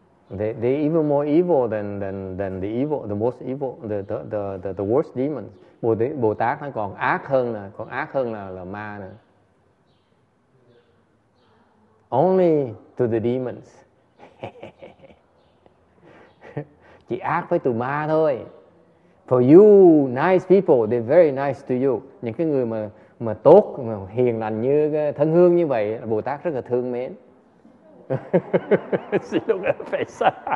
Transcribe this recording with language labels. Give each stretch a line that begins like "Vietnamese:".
English: They're even more evil than the evil, the most evil, the worst demons.
Vietnamese: Bồ Tát nó còn ác hơn là ma nữa.
English: Only to the demons.
Vietnamese: Chỉ ác với tụi ma thôi.
English: For you nice people, they're very nice to you.
Vietnamese: Những cái người mà tốt, mà hiền lành như thân hương như vậy, Bồ Tát rất là thương mến. Xin lỗi cái phải sợ.